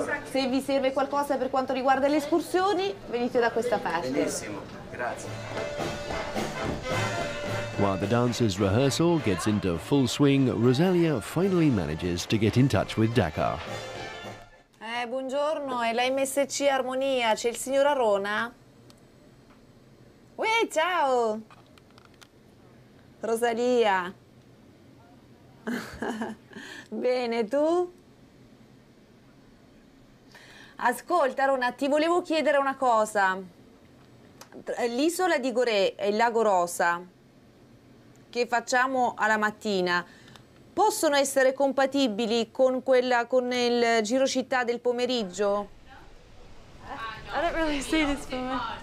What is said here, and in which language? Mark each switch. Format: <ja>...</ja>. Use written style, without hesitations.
<it>Se vi serve qualcosa per quanto riguarda le escursioni, venite da questa parte. Benissimo, grazie.</it> <en>While the dancers' rehearsal gets into full swing, Rosalia finally manages to get in touch with Dakar.</en> <it>Buongiorno, è la MSC Armonia, c'è il signor Arona? Uè, ciao! Rosalia. Bene, tu? Ascolta, Rona, ti volevo chiedere una cosa. L'isola di Gorée e il lago Rosa, che facciamo alla mattina, possono essere compatibili con quella con il giro città del pomeriggio?</it> <en>No. I don't really see this for me.</en>